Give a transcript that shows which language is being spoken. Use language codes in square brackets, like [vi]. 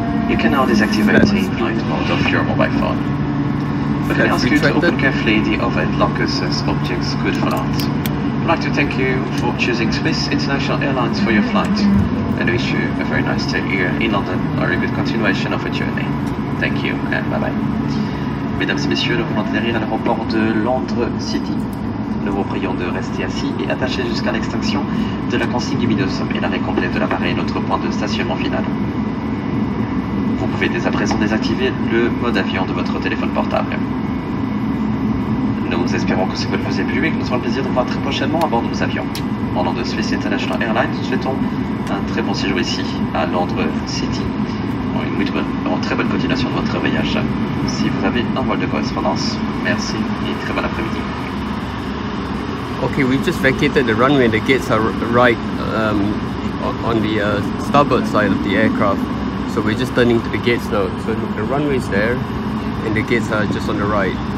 [en] You can now disactivate the flight mode of your mobile phone. We can ask you to open carefully the overhead lockers as objects could fall out. I'd like to thank you for choosing Swiss International Airlines for your flight and wish you a very nice day here in London or a good continuation of a journey. Thank you and bye bye. [fr] Mesdames et messieurs, nous allons atterrir à l'aéroport de Londres City. Nous vous prions de rester assis et attachés jusqu'à l'extinction de la consigne lumineuse et l'arrêt complet de l'appareil, notre point de stationnement final. Vous pouvez dès à présent désactiver le mode avion de votre téléphone portable. Nous espérons que ce vol vous ait plu et que nous aurons le plaisir de vous voir très prochainement à bord de nos avions. Au nom de Swiss International Airlines, nous souhaitons un très bon séjour ici, à Londres City. Une très bonne continuation de votre voyage. Si vous avez un vol de correspondance, merci et très bon après-midi. [en] Okay, we just vacated the runway. The gates are right on the starboard side of the aircraft. So we're just turning to the gates now. So the runway is there and the gates are just on the right.